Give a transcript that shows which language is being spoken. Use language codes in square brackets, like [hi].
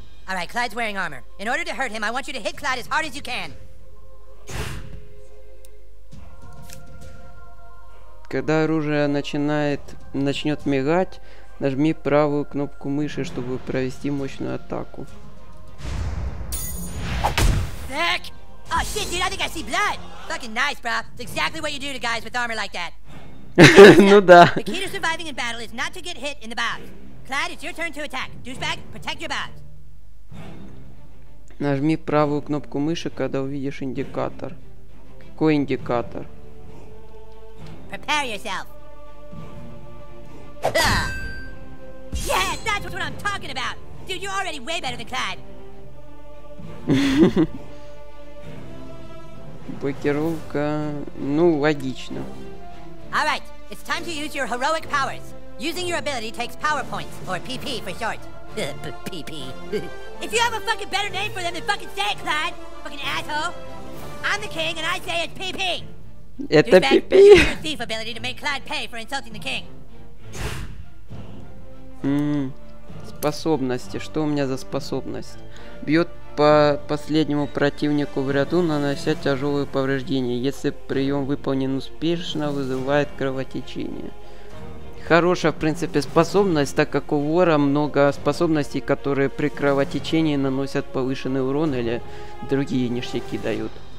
[en] Alright, Clyde's wearing armor. In order to hurt him, I want you to hit Clyde as hard as you can. [ru] Когда оружие начнет мигать, нажми правую кнопку мыши, чтобы провести мощную атаку. [en] Heck! Oh shit, dude, I think I see blood. Fucking nice, bro. It's exactly what you do to guys with armor like that. [ru] Ну да. [en] The key to surviving in battle is not to get hit in the bowels. Clyde, it's your turn to attack. Douchebag, protect your bowels. [ru] Нажми правую кнопку мыши, когда увидишь индикатор. Какой индикатор? [en] Prepare yourself. Yeah, that's what I'm talking about. Dude, you're already way better than Clyde. [ru] Блокировка, ну, логично. [en] All right, it's time to use your heroic powers. Using your ability takes power points, or PP for short. PP. If you have a fucking better name for them, then fucking say it, Clyde. Fucking asshole. I'm the king, and I say it's PP. [ru] Это ПП. [en] Thief ability to make Clyde pay for insulting the king. [ru] Способности. Что у меня за способность? Бьет по последнему противнику в ряду, нанося тяжелые повреждения. Если прием выполнен успешно, вызывает кровотечение. Хорошая, в принципе, способность, так как у вора много способностей, которые при кровотечении наносят повышенный урон или другие ништяки дают.